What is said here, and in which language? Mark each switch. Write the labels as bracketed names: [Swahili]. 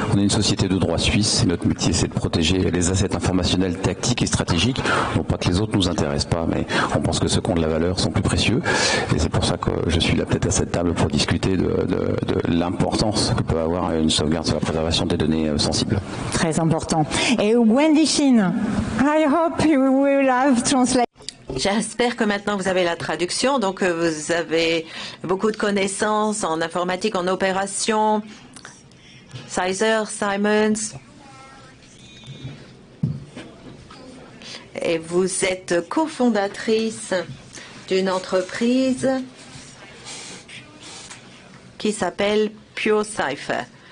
[French] On est une société de droit suisse, et notre métier c'est de protéger les assets informationnels tactiques et stratégiques, non pas que les autres ne nous intéressent pas, mais on pense que ceux qui ont de la valeur sont plus précieux, et c'est pour ça que je suis là peut-être à cette table pour discuter de l'importance que peut avoir une sauvegarde sur la préservation des données sensibles. Très important. Et [English] Wendy Shin, I hope you will have translated. [French] J'espère que maintenant vous avez la traduction, donc vous avez beaucoup de connaissances en informatique, en opération, Sizer, Simons, et vous êtes cofondatrice d'une entreprise qui s'appelle PureCypher.